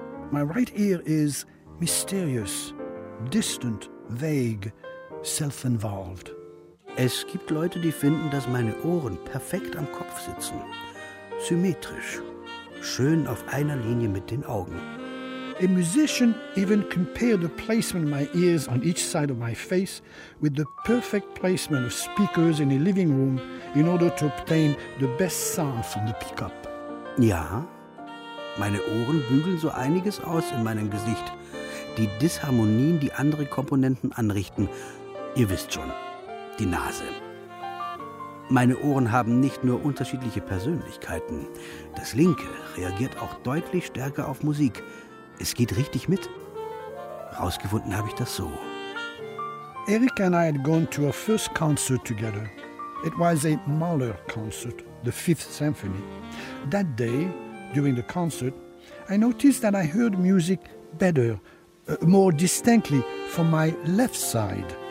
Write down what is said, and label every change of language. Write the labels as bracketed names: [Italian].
[English] My right ear is mysterious, distant, vague, self-involved. [German] Es gibt Leute, die finden, dass meine Ohren perfekt am Kopf sitzen. Symmetrisch, schön auf einer Linie mit den Augen. [English] A musician even compared the placement of my ears on each side of my face with the perfect placement of speakers in a living room in order to obtain the best sound from the pickup. [German] Ja, meine Ohren bügeln so einiges aus in meinem Gesicht. Die Disharmonien, die andere Komponenten anrichten, ihr wisst schon, die Nase. Meine Ohren haben nicht nur unterschiedliche Persönlichkeiten. Das linke reagiert auch deutlich stärker auf Musik. Es geht richtig mit. Rausgefunden habe ich das so. [English] Eric and I had gone to our first concert together. It was a Mahler concert, the 5th symphony. That day, during the concert, I noticed that I heard music better, more distinctly, from my left side.